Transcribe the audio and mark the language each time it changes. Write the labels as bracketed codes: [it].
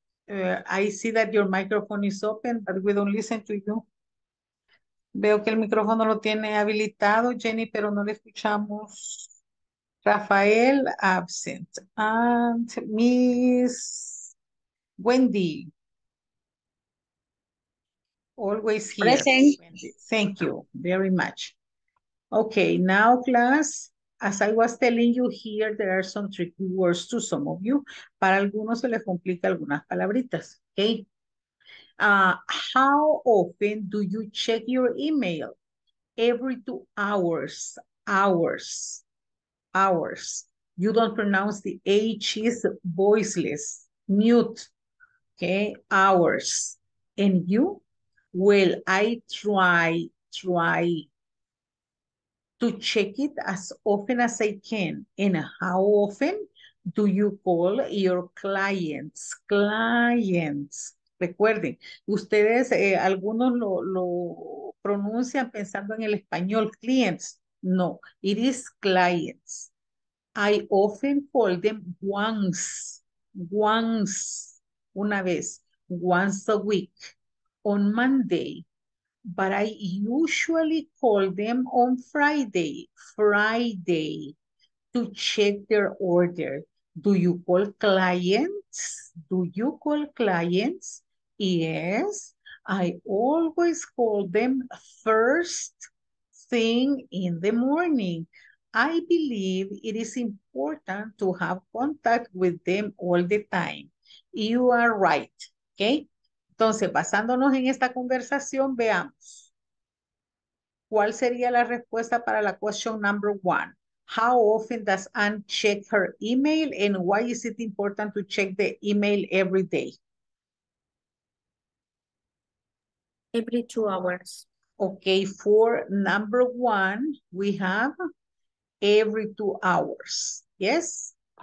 [en] I see that your microphone is open, but we don't listen to you. [es] Veo que el micrófono lo tiene habilitado, Jenny, pero no le escuchamos. [en] Rafael, absent. And Miss Wendy. Always here. Present. Thank you very much. Okay, now class, as I was telling you here, there are some tricky words to some of you. [es] Para algunos se les complica algunas palabritas, okay? [en] How often do you check your email? Every 2 hours, hours, hours. You don't pronounce the H, is voiceless, mute, okay? Hours. And you? Well, I try. To check it as often as I can. And how often do you call your clients? Clients. [es] Recuerden, ustedes, algunos lo pronuncian pensando en el español, clients. [en] No, it is clients. I often call them once a week on Monday. But I usually call them on Friday to check their order. Do you call clients? Yes, I always call them first thing in the morning. I believe it is important to have contact with them all the time. You are right, [es] okay? Entonces, basándonos en esta conversación, veamos. ¿Cuál sería la respuesta para la [en] question number one? How often does Anne check her email and why is it important to check the email every day? Every 2 hours. Okay, for number one, we have every 2 hours. Yes?